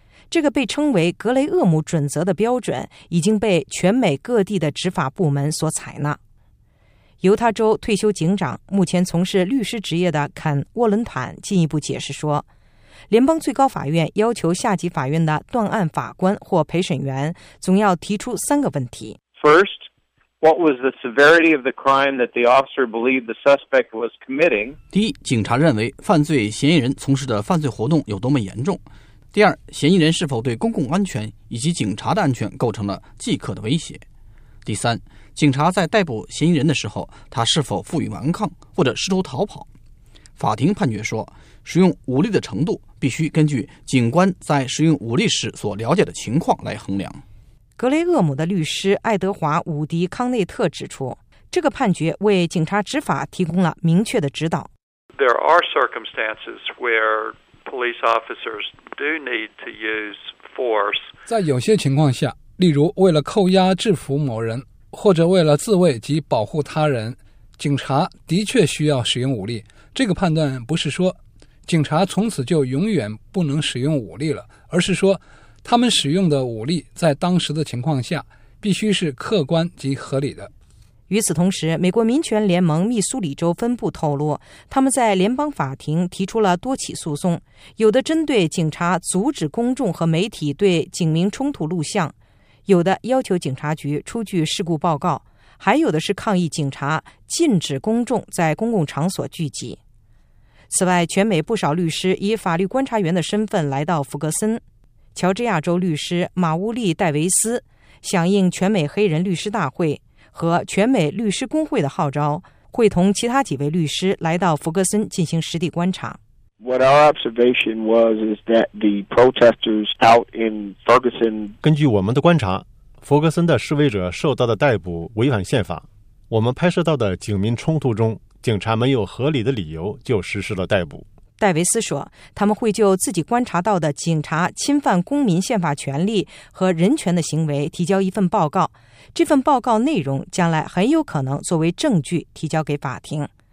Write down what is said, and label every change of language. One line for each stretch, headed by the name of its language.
Chinese: 这个被称为格雷厄姆准则的标准已经被全美各地的执法部门所采纳。犹他州退休警长、目前从事律师职业的肯·沃伦坦进一步解释说，联邦最高法院要求下级法院的断案法官或陪审员总要提出三个问题。
English: First, what was the severity of the crime that the officer believed the suspect was committing?
Chinese: 第一，警察认为犯罪嫌疑人从事的犯罪活动有多么严重。第二，嫌疑人是否对公共安全以及警察的安全构成了即刻的威胁。第三，警察在逮捕嫌疑人的时候，他是否负隅顽抗或者试图逃跑。法庭判决说，使用武力的程度必须根据警官在使用武力时所了解的情况来衡量。格雷厄姆的律师爱德华·伍迪·康内特指出，这个判决为警察执法提供了明确的指导。
English: There are circumstances where police officers do need to use force.
Chinese: 在有些情况下，例如为了扣押制服某人，或者为了自卫及保护他人，警察的确需要使用武力。这个判断不是说警察从此就永远不能使用武力了，而是说他们使用的武力在当时的情况下必须是客观及合理的。与此同时，美国民权联盟密苏里州分部透露，他们在联邦法庭提出了多起诉讼，有的针对警察阻止公众和媒体对警民冲突录像，有的要求警察局出具事故报告，还有的是抗议警察禁止公众在公共场所聚集。此外，全美不少律师以法律观察员的身份来到弗格森。乔治亚州律师马乌利·戴维斯响应全美黑人律师大会和全美律师工会的号召，会同其他几位律师来到弗格森进行实地观察。
English: What our observation was is that the protesters out in Ferguson.
Chinese: 根据我们的观察，弗格森的示威者受到的逮捕违反宪法。我们拍摄到的警民冲突中，警察没有合理的理由就实施了逮捕。戴维斯说，他们会就自己观察到的警察侵犯公民宪法权利和人权的行为提交一份报告，这份报告内容将来很有可能作为证据提交给法庭。